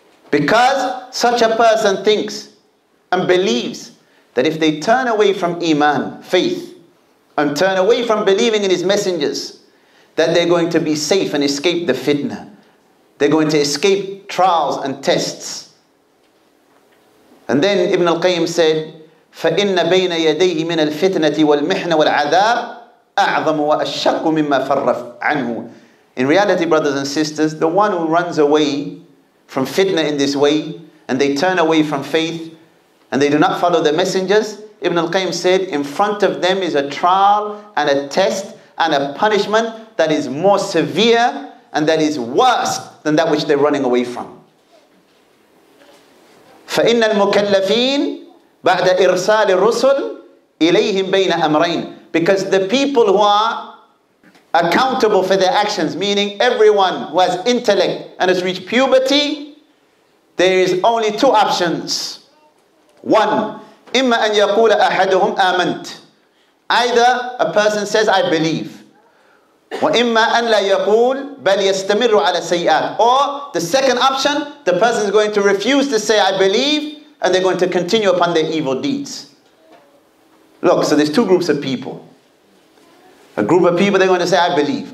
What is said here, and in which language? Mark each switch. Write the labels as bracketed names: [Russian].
[English] Because such a person thinks and believes that if they turn away from Iman, faith, and turn away from believing in his messengers, that they're going to be safe and escape the fitna. They're going to escape trials and tests. And then Ibn al-Qayyim said, [Arabic] فَإِنَّ بَيْنَ يَدَيْهِ مِنَ الْفِتْنَةِ وَالْمِحْنَ وَالْعَذَابِ أَعْظَمُ وَأَشَّقُ مِمَّا فَرَّفْ عَنْهُ. [English] In reality, brothers and sisters, the one who runs away from fitna in this way, and they turn away from faith, and they do not follow the messengers, Ibn al-Qayyim said, in front of them is a trial and a test and a punishment that is more severe and that is worse than that which they're running away from. [Arabic] فَإِنَّ الْمُكَلَّفِينَ بَعْدَ إِرْسَالِ الرُّسُلِ إِلَيْهِمْ بَيْنَ أَمْرَيْنَ. [English] Because the people who are accountable for their actions, meaning everyone who has intellect and has reached puberty, there is only two options. One, [Arabic] إِمَّا أَنْ يَقُولَ أَحَدُهُمْ آمَنْتَ. [English] Either a person says, I believe. [Arabic] وَإِمَّا أَنْ لَا يَقُولْ بَلْ يَسْتَمِرُّ عَلَى سَيِّئَاتِ. [English] Or the second option, the person is going to refuse to say, I believe, and they're going to continue upon their evil deeds. Look, so there's two groups of people. A group of people, they're going to say, I believe.